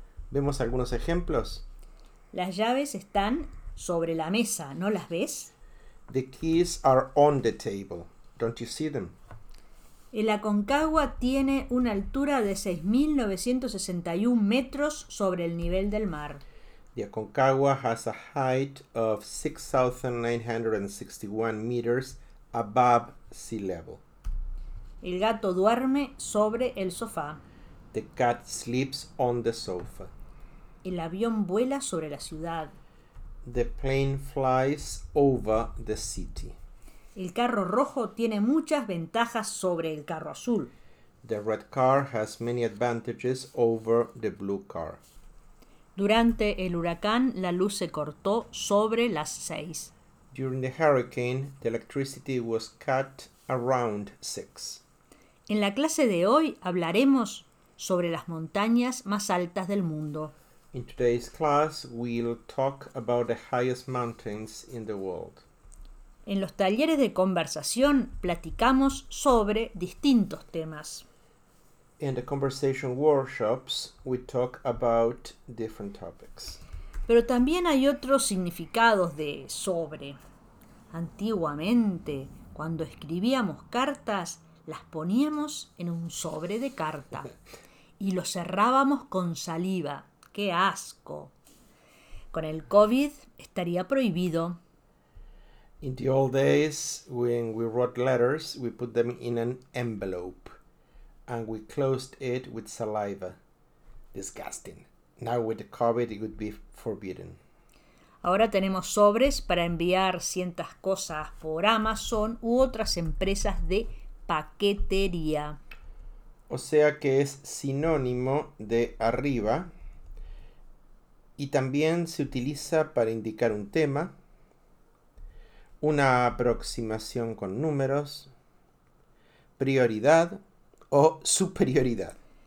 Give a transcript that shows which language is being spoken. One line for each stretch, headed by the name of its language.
Spanish: ¿Vemos algunos ejemplos? Las llaves están sobre la mesa, ¿no las ves?
English: The keys are on the table. Don't you see them?
Spanish: El Aconcagua tiene una altura de 6.961 metros sobre el nivel del mar.
English: The Aconcagua has a height of 6,961 meters above sea level.
Spanish: El gato duerme sobre el sofá.
English: The cat sleeps on the sofa.
Spanish: El avión vuela sobre la ciudad.
English: The plane flies over the city.
Spanish: El carro rojo tiene muchas ventajas sobre el carro azul.
English: The red car has many advantages over the blue car.
Spanish: Durante el huracán, la luz se cortó sobre las 6.
English: During the hurricane, the electricity was cut around six.
Spanish: En la clase de hoy hablaremos sobre las montañas más altas del mundo.
English: In today's class, we'll talk about the highest mountains in the world.
Spanish: En los talleres de conversación platicamos sobre distintos temas.
English: In the conversation workshops, we talk about different topics.
Spanish: Pero también hay otros significados de sobre. Antiguamente, cuando escribíamos cartas, las poníamos en un sobre de carta y lo cerrábamos con saliva. ¡Qué asco! Con el COVID estaría prohibido.
English: In the old days, when we wrote letters, we put them in an envelope and we closed it with saliva. Disgusting. Now with the COVID, it would be forbidden.
Spanish: Ahora tenemos sobres para enviar ciertas cosas por Amazon u otras empresas de paquetería. O sea que es sinónimo de arriba y también se utiliza para indicar un tema, una aproximación con números, prioridad o superioridad.